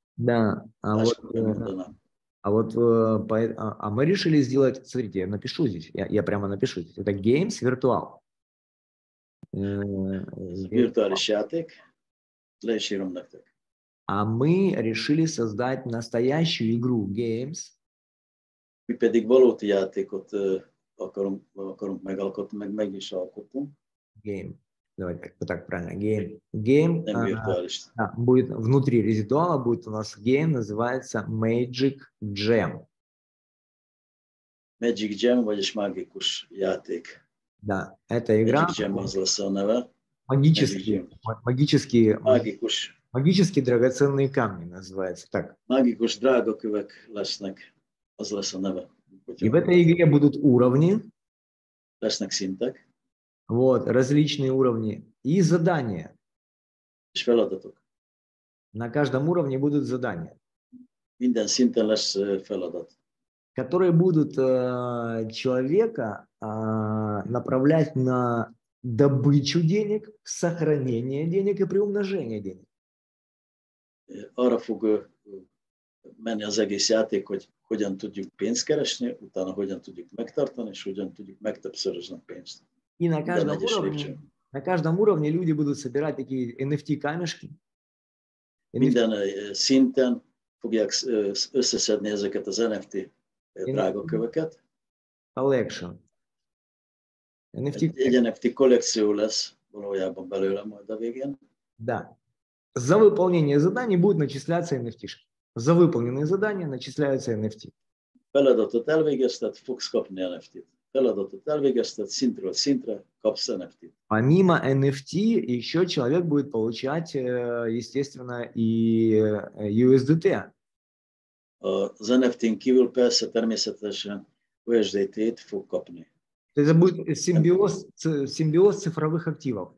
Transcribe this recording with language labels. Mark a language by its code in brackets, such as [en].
[ru] Да, а мы решили сделать, смотрите, я напишу здесь, это Games Virtual. Виртуальный чатик для широмных. А мы решили создать настоящую игру Games. [hu] Mi pedig valódi játékot akarunk megalkotni, meg is alkotunk. [ru] Game. Давайте так правильно. Game. Game. [hu] Nem virtuális. [ru] Да, будет внутри резидуала, будет у нас game, называется Magic Jam. [hu] Magic Jam, vagyis magikus játék. [ru] Да, это игра. [hu] Magic Jam az lesz a neve. [ru] Магические драгоценные камни называется так. [hu] Magikus drágakövek lesznek. Az lesz a neve. [ru] И в этой игре будут уровни. [hu] Lesznek szintek. [ru] Вот, различные уровни. И задания. [hu] És feladatok. [ru] На каждом уровне будут задания. [hu] Minden szinten lesz feladat. [ru] Которые будут человека направлять на добычу денег, сохранение денег и приумножение денег. [hu] Arra fog menni az egész játék, hogy hogyan tudjuk pénzt keresni, utána hogyan tudjuk megtartani, és hogyan tudjuk megtöbbszörözni a pénzt. [ru] И на каждом уровне люди будут собирать такие NFT-камешки. [hu] Minden szinten fogják összeszedni ezeket az NFT drágaköveket. [en] Collection. NFT. [hu] Egy NFT kollekció lesz valójában belőle majd a végén. [ru] Да. За выполнение заданий будут начисляться NFT-шки. За выполненные задания начисляются NFT. [hu] Feladatot elvégezted, fogsz kapni NFT. Feladatot elvégezted, szintről szintre kapsz NFT. [ru] Помимо NFT, еще человек будет получать, естественно, и USDT. [hu] Az NFT-n kívül persze természetesen USDT-t fog kapni. [ru] То есть это будет симбиоз цифровых активов.